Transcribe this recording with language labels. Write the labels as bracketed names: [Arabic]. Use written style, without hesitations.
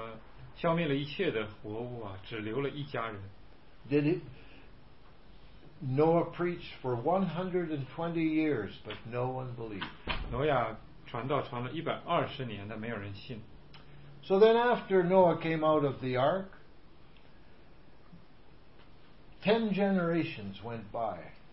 [Chinese] 所以神呢，就消灭了一切的活物啊，只留了一家人。 [English] Did it? Noah preached for 120 years but no one believed. [Chinese] 挪亚传道传了120年的没有人信。 [English] So then after Noah came out of the ark, 10 generations went by.